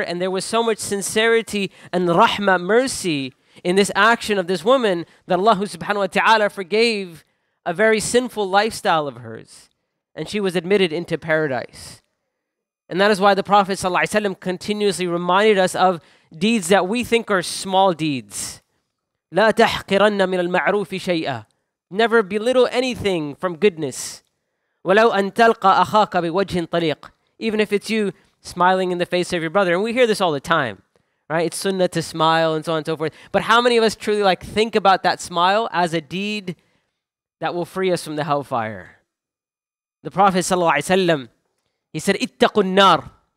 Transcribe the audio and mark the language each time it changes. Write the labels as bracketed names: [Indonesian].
[English] And there was so much sincerity and rahmah, mercy in this action of this woman that Allah subhanahu wa ta'ala forgave a very sinful lifestyle of hers. And she was admitted into paradise. And that is why the Prophet sallallahu alaihi wasallam continuously reminded us of deeds that we think are small deeds. [Arabic] لا تحقرن من المعروف شيئا. [English] Never belittle anything from goodness. [Arabic] ولو أن تلقى أخاك بوجه طليق. [English] Even if it's you smiling in the face of your brother. And we hear this all the time, right? It's sunnah to smile and so on and so forth. But how many of us truly like think about that smile as a deed that will free us from the hellfire? The Prophet sallallahu alaihi wasallam, he said, [Arabic] اتقوا النار.